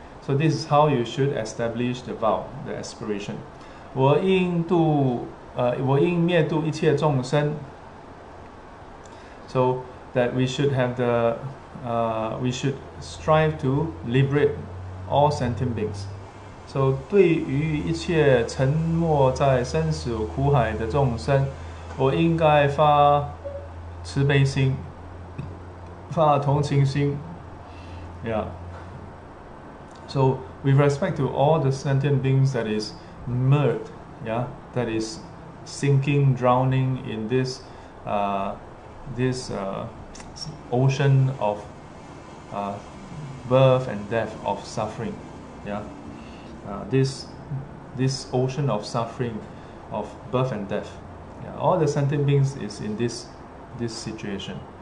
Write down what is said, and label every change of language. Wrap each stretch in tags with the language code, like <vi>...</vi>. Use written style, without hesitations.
<en>So this is how you should establish the vow, the aspiration.</en> <zh>我应灭度一切众生。</zh> <en>So that we should have the, we should strive to liberate all sentient beings.</en> <zh>So 对于一切沉没在生死苦海的众生，我应该发慈悲心，发同情心。</zh> <en>So with respect to all the sentient beings that is mired, that is sinking, drowning in this ocean of birth and death, of suffering, this ocean of suffering, of birth and death, all the sentient beings is in this situation.</en>